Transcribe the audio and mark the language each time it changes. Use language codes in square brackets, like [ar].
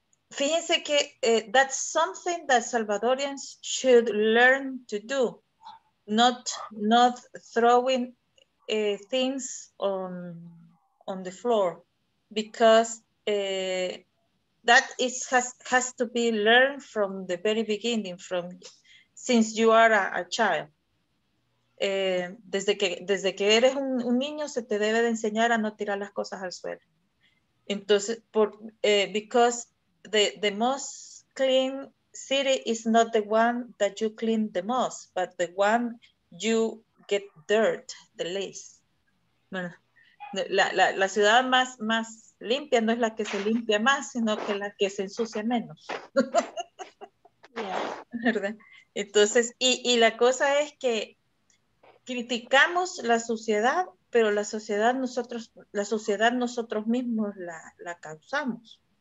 [es] Fíjense que [en] that's something that Salvadorians should learn to do, not throwing things on the floor, because that has to be learned from the very beginning, since you are a child. [es] Desde que eres un niño se te debe de enseñar a no tirar las cosas al suelo. [en] Entonces, because the most clean city is not the one that you clean the most, but the one you get dirt the least. [es] Bueno, la ciudad más limpia no es la que se limpia más, sino que la que se ensucia menos. [en] Yeah. [es] ¿Verdad? Entonces, y la cosa es que criticamos la suciedad, pero la sociedad nosotros mismos la causamos.